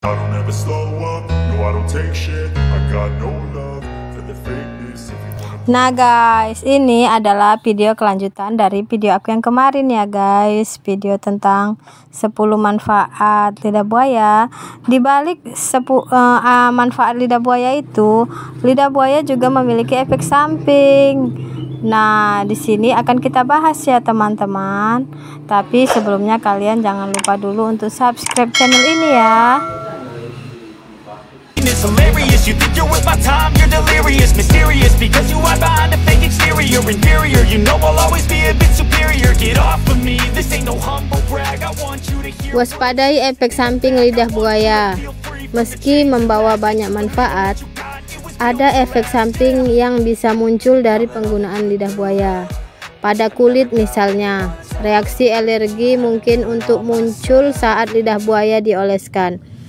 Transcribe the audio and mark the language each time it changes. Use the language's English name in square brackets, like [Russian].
[English] I don't ever slow up, no I don't take shit, I got no love for the fakeness. [Indonesian] Nah guys, ini adalah video kelanjutan dari video aku yang kemarin ya guys. Video tentang 10 manfaat lidah buaya. Di balik manfaat lidah buaya itu, lidah buaya juga memiliki efek samping. Nah, di sini akan kita bahas ya teman-teman. Tapi sebelumnya kalian jangan lupa dulu untuk subscribe channel ini ya. [English] It's hilarious, you think you're worth my time, you're delirious, mysterious, because you hide behind a fake exterior, inferior, you know I'll always be a bit superior, get off of me, this ain't no humble brag, I want you to hear. [Indonesian] Waspadai efek samping lidah buaya. Meski membawa banyak manfaat, ada efek samping yang bisa muncul dari penggunaan lidah buaya. Pada kulit misalnya, reaksi alergi mungkin untuk muncul saat lidah buaya dioleskan.